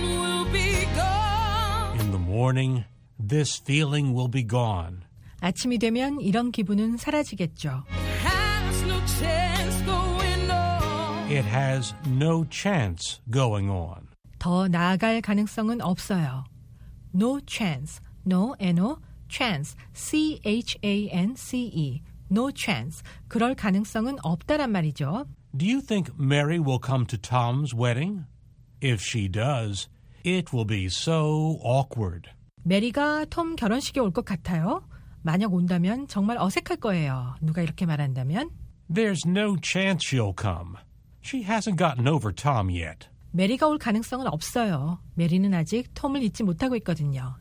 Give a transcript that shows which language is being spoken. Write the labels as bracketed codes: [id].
[en] In the morning, this feeling will be gone. [ko] 아침이 되면 이런 기분은 사라지겠죠. [en] Has no chance going on. It has no chance going on. [ko] 더 나아갈 가능성은 없어요. [en] No chance. No, N-O, chance, C-H-A-N-C-E, no chance. [ko] 그럴 가능성은 없다란 말이죠. [en] Do you think Mary will come to Tom's wedding? If she does, it will be so awkward. [ko] 메리가 톰 결혼식에 올 것 같아요? 만약 온다면 정말 어색할 거예요. 누가 이렇게 말한다면? [en] There's no chance she'll come. She hasn't gotten over Tom yet. [ko] 메리가 올 가능성은 없어요. 메리는 아직 톰을 잊지 못하고 있거든요.